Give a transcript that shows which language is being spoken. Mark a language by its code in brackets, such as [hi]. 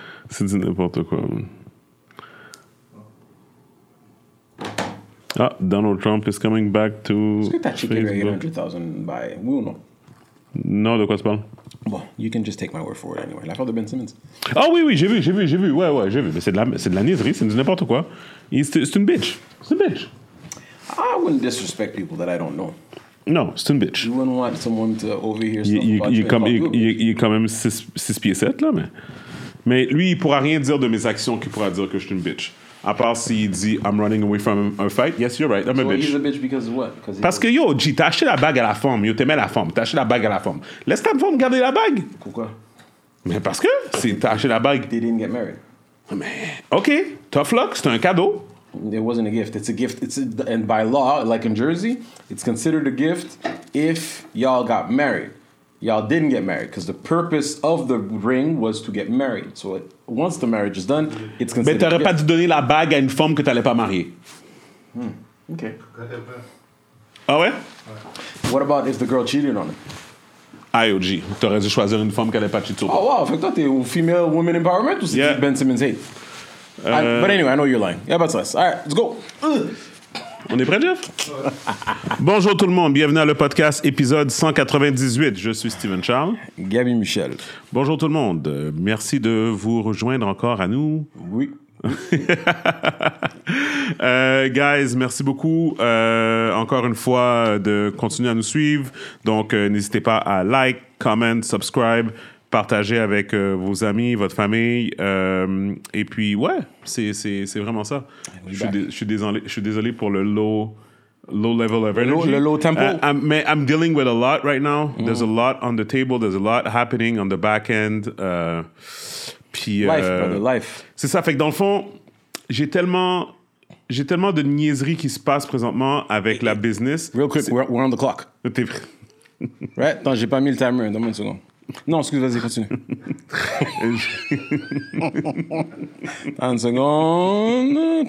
[de] Sind sie in der Protokoll? [en] Ah, Donald Trump is coming back to Facebook. [fr] Non, de quoi se parle? [en] Bon, you can just take my word for it anyway. [fr] L'affaire de Ben Simmons. Ah oh, oui, j'ai vu. Ouais, j'ai vu. Mais c'est de la niaiserie, c'est n'importe quoi. C'est une bitch. C'est une bitch. [en] I wouldn't disrespect people that I don't know. [fr] No, c'est une bitch. [en] You wouldn't want someone to overhear stuff you, about you. [fr] Il quand même 6 pieds 7, là, mais... Mais lui, il pourra rien dire de mes actions qu'il pourra dire que je suis une bitch. À part s'il si dit, [en] I'm running away from a fight. Yes, you're right, I'm so a bitch. So he's a bitch because of what? [fr] Parce que yo, G, t'as acheté la bague à la femme. Yo, t'aimais la femme. T'as acheté la bague à la femme. Laisse ta femme garder la bague. Pourquoi? Mais parce que si t'as acheté la bague... [en] They didn't get married. [fr] Mais, OK, [en] tough luck, [fr] c'est un cadeau. [en] It wasn't a gift. It's a gift. It's a, and by law, like in Jersey, it's considered a gift if y'all got married. Y'all didn't get married because the purpose of the ring was to get married. So it, once the marriage is done, it's considered. [fr] Mais t'aurais pas dû donner la bague à une femme que t'allais pas marier. [en] Hmm. Okay. [fr] Ah ouais? [en] What about if the girl cheated on him? IOG. [fr] T'aurais dû choisir une femme qui allait pas cheater. [en] Oh wow! [fr] Fait toi, t'es au [en] female women empowerment [fr] ou c'est yeah. [en] Ben Simmons hate? But anyway, I know you're lying. Yeah, but less. All right, let's go. [fr] On est prêt, Jeff? Bonjour tout le monde, bienvenue à le podcast épisode 198. Je suis Steven Charles. Gabi Michel. Bonjour tout le monde, merci de vous rejoindre encore à nous. Oui. guys, merci beaucoup encore une fois de continuer à nous suivre. Donc, n'hésitez pas à [en] like, comment, subscribe. [fr] Partager avec vos amis, votre famille. Et puis, ouais, c'est vraiment ça. Je suis désolé pour le [en] low level of energy. [fr] Le low tempo. [en] I'm dealing with a lot right now. Mm. There's a lot on the table. There's a lot happening on the back end. Life. [fr] C'est ça. Fait que dans le fond, j'ai tellement de niaiseries qui se passent présentement avec la business. [en] Real quick, we're on the clock. [fr] T'es prêt? [en] Right? [fr] Attends, j'ai pas mis le timer. Donne-moi une seconde. Non, excuse, vas-y, continue. Un second.